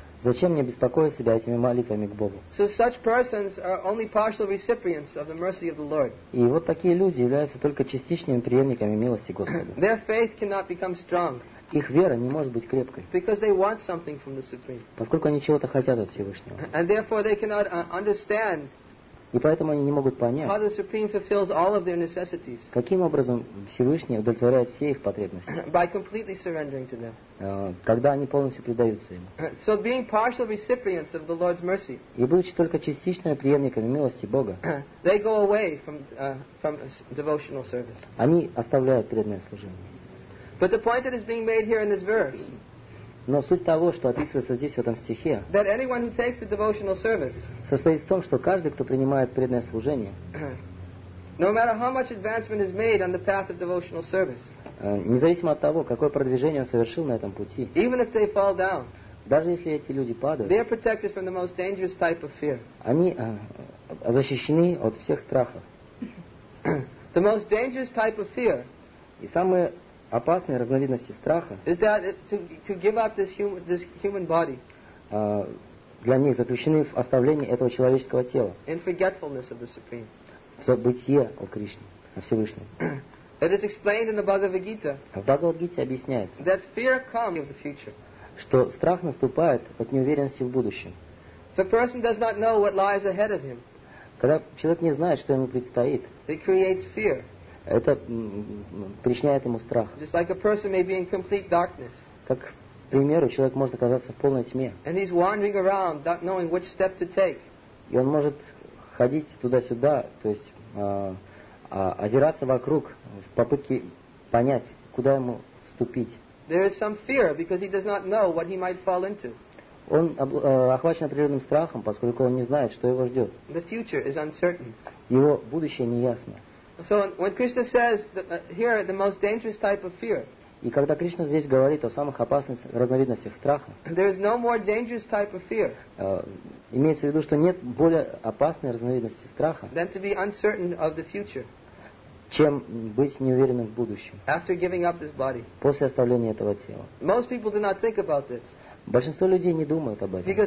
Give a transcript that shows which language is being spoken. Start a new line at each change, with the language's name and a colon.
Russian: Зачем мне беспокоить себя этими молитвами к Богу?
English: So such persons are only partial recipients of the mercy of the Lord.
Russian: И вот такие люди являются только частичными преемниками милости Господа.
English: Their faith cannot become strong.
Russian: Их вера не может быть крепкой.
English: Because they want something from the Supreme.
Russian: Поскольку они чего-то хотят от Всевышнего.
English: And therefore they cannot understand.
Russian: И поэтому они не могут понять,
English: how the Supreme fulfills all of their necessities.
Russian: Каким образом Всевышний удовлетворяет все их потребности.
English: By completely surrendering to them.
Russian: Когда они полностью предаются ему.
English: So being partial recipients of the Lord's mercy.
Russian: И будучи только частичными преемниками милости Бога.
English: They go away from devotional service.
Russian: Они оставляют преданное служение.
English: But the point that is being made here in this verse.
Russian: Но суть того, что описывается здесь в этом стихе,
English: that anyone who takes the devotional service,
Russian: состоит в том, что каждый, кто принимает преданное служение,
English: no matter how much advancement is made on the path of devotional service,
Russian: независимо от того, какое продвижение он совершил на этом пути,
English: even if they fall down,
Russian: даже если эти люди падают,
English: they are protected from the most dangerous type of fear.
Russian: Они защищены от всех страхов.
English: The most dangerous type of fear,
Russian: и самые опасные разновидности страха для них заключены в оставлении этого человеческого тела,
English: in forgetfulness of the Supreme.
Russian: В забытье о Кришне, о Всевышнем.
English: It is explained in the Bhagavad Gita.
Russian: В Бхагавад Гите объясняется.
English: That fear comes of the future.
Russian: Что страх наступает от неуверенности в будущем.
English: The person does not know what lies ahead of him.
Russian: Когда человек не знает, что ему предстоит.
English: It creates fear.
Russian: Это причиняет ему страх.
English: Just like a person may be in complete darkness.
Russian: Как, к примеру, человек может оказаться в полной тьме.
English: And he's wandering around, not knowing which step to take.
Russian: И он может ходить туда-сюда, то есть озираться вокруг в попытке понять, куда ему ступить.
English: There is some fear because he does not know what he might fall into.
Russian: Он охвачен определенным страхом, поскольку он не знает, что его ждет.
English: The future is uncertain.
Russian: Его будущее неясно.
English: So when Krishna says here the most dangerous type of fear.
Russian: И когда Кришна здесь говорит о самых опасных разновидностях страха.
English: There is no more dangerous type of fear.
Russian: Имеется в виду, что нет более опасной разновидности страха.
English: Than to be uncertain of the future.
Russian: Чем быть неуверенным в будущем.
English: After giving up this body.
Russian: После оставления этого тела.
English: Most people do not think about this.
Russian: Большинство людей не думают об этом.